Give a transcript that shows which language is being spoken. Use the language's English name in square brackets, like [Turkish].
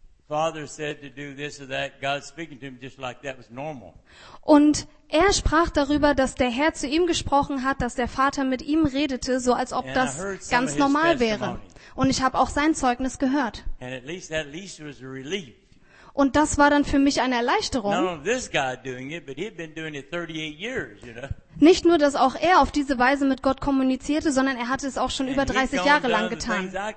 [English] father said to do this or that, God speaking to him just like that was normal. [German] Und er sprach darüber, dass der Herr zu ihm gesprochen hat, dass der Vater mit ihm redete, so als ob das ganz normal wäre. Und ich habe auch sein Zeugnis gehört. [English] And at least was a relief. [German] Und das war dann für mich eine Erleichterung. [English] Not only this guy doing it, but he'd been doing it 38 years, you know? [German] Nicht nur, dass auch er auf diese Weise mit Gott kommunizierte, sondern er hatte es auch schon über 30 Jahre lang getan.